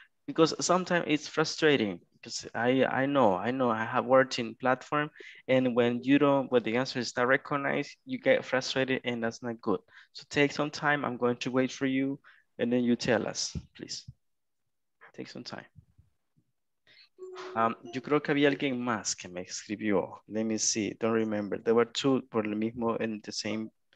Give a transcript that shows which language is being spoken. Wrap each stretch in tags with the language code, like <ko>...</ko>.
<en>Because sometimes it's frustrating. Because I know I have worked in platform, and when the answer is not recognized, you get frustrated, and that's not good. So take some time. I'm going to wait for you, and then you tell us, please. Take some time.</en> <es>Yo creo que había alguien más que me escribió.</es> <en>Let me see. Don't remember. There were two</en> <es>por el mismo</es> <en>in the same.</en>